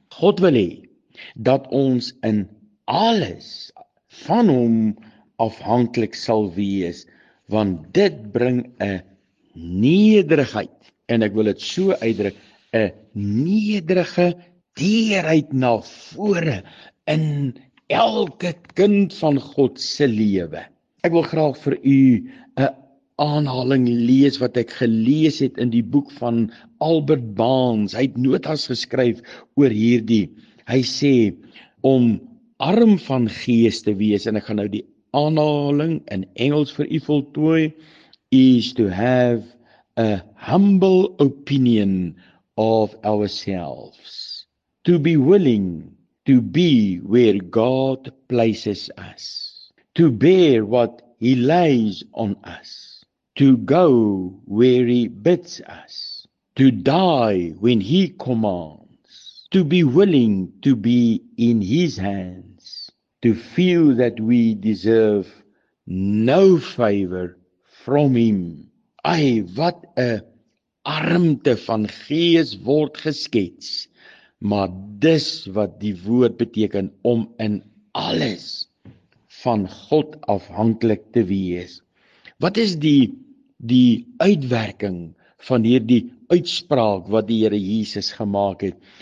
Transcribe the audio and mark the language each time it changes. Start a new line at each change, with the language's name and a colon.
Afrikaans: God wil hê dat ons in alles van hom afhanklik sal wees, want dit bring 'n nederigheid, en ek wil dit so uitdruk, 'n nederige teerheid na vore in elke kind van God se lewe. Ek wil graag vir u 'n aanhaling lees wat ek gelees het in die boek van Albert Baans. Hy het notas geskryf oor hierdie. Hy sê, om arm van gees te wees, en ek gaan nou die aanhaling in Engels vir u voltooi,
English: is to have a humble opinion of ourselves, to be willing to be where God places us, to bear what he lays on us, to go where he bids us, to die when he commands, to be willing to be in his hands, to feel that we deserve no favor from him.
Afrikaans: Ai, wat 'n armte van gees word geskets. Maar dis wat die woord beteken, om in alles van God afhanklik te wees. Wat is die uitwerking van hierdie uitspraak wat die Here Jesus gemaak het?